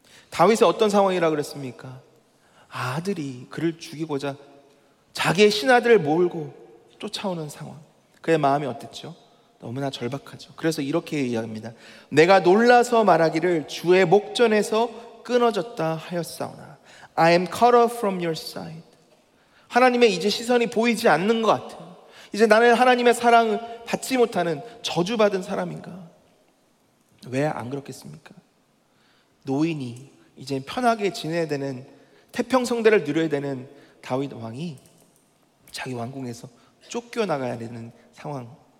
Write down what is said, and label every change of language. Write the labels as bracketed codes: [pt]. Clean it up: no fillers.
[ko] 다윗의 어떤 상황이라 그랬습니까? 아들이 그를 죽이고자 자기의 신하들을 몰고 쫓아오는 상황. 그의 마음이 어땠죠? 너무나 절박하죠. 그래서 이렇게 이야기합니다. 내가 놀라서 말하기를 주의 목전에서 끊어졌다 하였사오나. [en] I am cut off from your side. [ko] 하나님의 이제 시선이 보이지 않는 것 같아요. 이제 나는 하나님의 사랑을 받지 못하는 저주받은 사람인가? 왜 안 그렇겠습니까? 노인이 이제 편하게 지내야 되는 태평성대를 누려야 되는 다윗 왕이 자기 왕궁에서 쫓겨나가야 되는 상황.